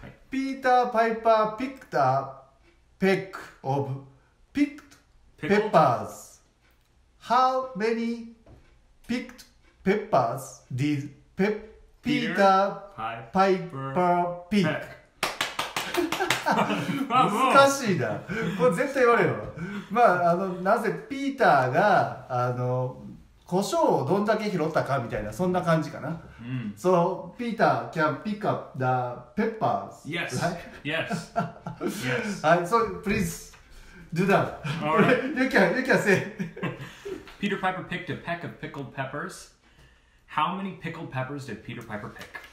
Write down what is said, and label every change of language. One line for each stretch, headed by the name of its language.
English: Peter Piper picked a peck of picked peppers. How many picked peppers did Peter Piper picked.
Japanese: 難しいな。これ絶対言われよ。まあ、なぜピーターが、胡椒をどんだけ拾ったかみたいな、そんな感じかな。
English: So, Peter can pick up the peppers. Yes.
Japanese: はい、
English: so please do that. You can say. Peter Piper picked a peck of pickled peppers. How many pickled peppers did Peter Piper pick?